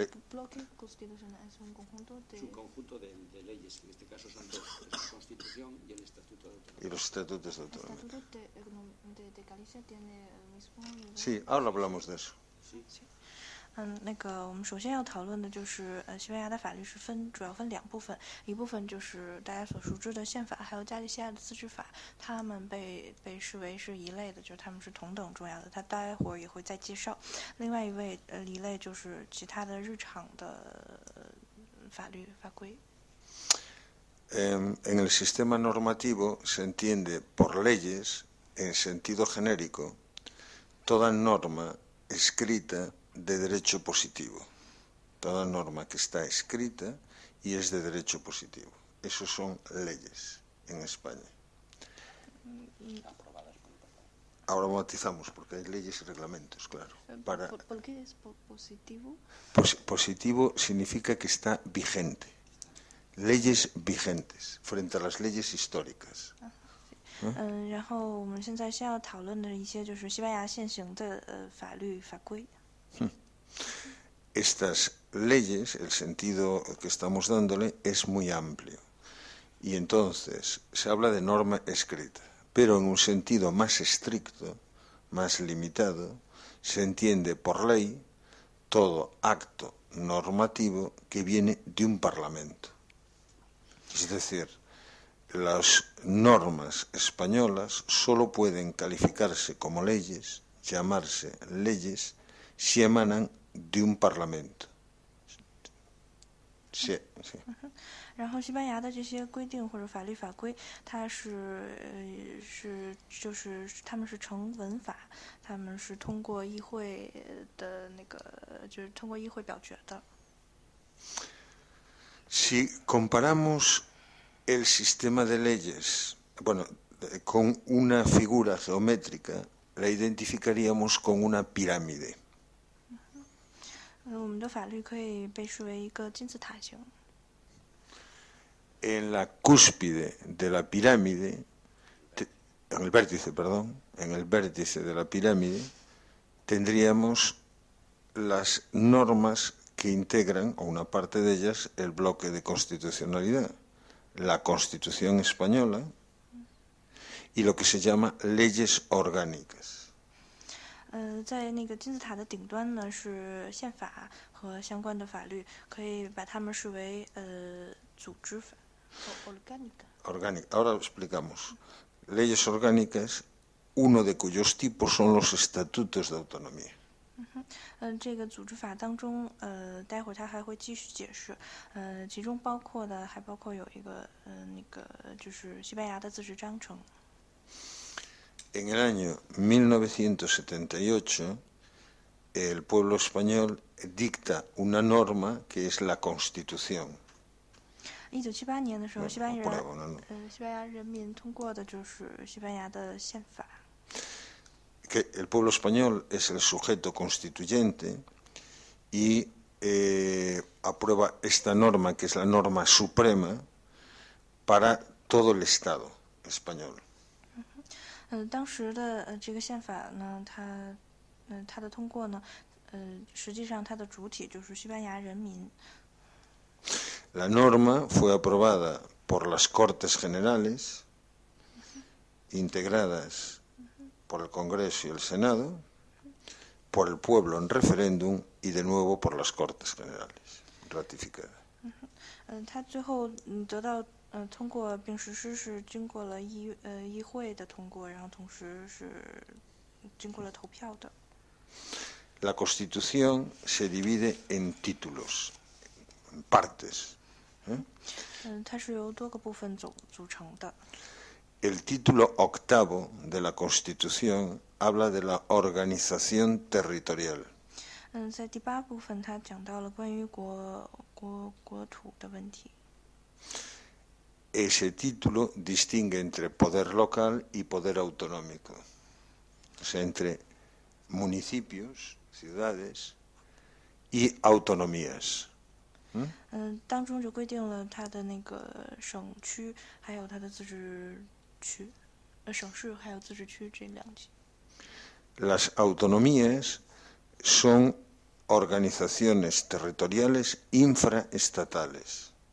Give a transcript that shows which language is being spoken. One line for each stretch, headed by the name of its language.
Spanish: bloque constitucional es un conjunto de... Es un conjunto de leyes, que en este caso son dos, la Constitución y el Estatuto de Autonomía. Y los estatutos de autonomía. ¿El Estatuto de Galicia tiene el mismo nivel? Sí, ahora hablamos de eso. Sí, sí.
Chinese: 那个我们首先要讨论的就是西班牙的法律是分主要分两部分，一部分就是大家所熟知的宪法，还有加利西亚的自治法，他们被视为是一类的，就是他们是同等重要的。他待会儿也会再介绍。另外一位，一类就是其他的日常的法律法规。
Spanish: En el sistema normativo se entiende por leyes, en sentido genérico, toda norma escrita de derecho positivo. Toda norma que está escrita y es de derecho positivo. Eso son leyes en España. Ahora matizamos porque hay leyes y reglamentos, claro. Para... ¿Por qué es positivo? Positivo significa que está vigente. Leyes vigentes frente a las leyes históricas.
Chinese: 然后我们现在先要讨论的一些就是西班牙现行的法律法规。
Spanish: Estas leyes, el sentido que estamos dándole es muy amplio. Y entonces se habla de norma escrita, pero en un sentido más estricto, más limitado, se entiende por ley todo acto normativo que viene de un parlamento. Es decir, las normas españolas solo pueden calificarse como leyes, llamarse leyes, si emanan de un parlamento. Sí.
Chinese: 然后，西班牙的这些规定或者法律法规，它是就是他们是成文法，他们是通过议会的那个，就是通过议会表决的。
Spanish: Si comparamos el sistema de leyes, bueno, con una figura geométrica, la identificaríamos con una pirámide.
Chinese: 我们的法律可以被视为一个金字塔形。
Spanish: En la cúspide de la pirámide, en el vértice, perdón, en el vértice de la pirámide, tendríamos las normas que integran, o una parte de ellas, el bloque de constitucionalidad, la Constitución española y lo que se llama leyes orgánicas.
Chinese: 在那个金字塔的顶端呢，是宪法和相关的法律，可以把它们视为组织法，organic。
Spanish: Orgánica. Ahora explicamos. Leyes orgánicas, uno de cuyos tipos son los estatutos de autonomía.
Chinese: 这个组织法当中，待会儿他还会继续解释，其中包括的还包括有一个，那个就是西班牙的自治章程。
Spanish: En el año 1978, el pueblo español dicta una norma que es la Constitución.
Chinese: 1978年的时候，
Spanish: Bueno, aprueba una norma.
Chinese: 西班牙人民通过的就是西班牙的宪法。
Spanish: Que el pueblo español es el sujeto constituyente y aprueba esta norma, que es la norma suprema, para todo el Estado español.
Chinese: 当时的这个宪法呢，它的通过呢，实际上它的主体就是西班牙人民。
Spanish: La norma fue aprobada por las Cortes Generales, integradas por el Congreso y el Senado, por el pueblo en referéndum y de nuevo por las Cortes Generales, ratificada.
Chinese: 它最后得到。通过并实施是经过了议会的通过，然后同时是经过了投票的。
Spanish: La Constitución se divide en títulos, en partes.
Chinese: 它是由多个部分组成的。
Spanish: El título octavo de la Constitución habla de la organización territorial.
Chinese: 在第八部分，它讲到了关于国土的问题。
Spanish: Ese título distingue entre poder local y poder autonómico, o sea, entre municipios, ciudades y autonomías.
Chinese: 当中就规定了它的那个省区，还有它的自治区，省市还有自治区这两级。
Spanish: Las autonomías son organizaciones territoriales infraestatales.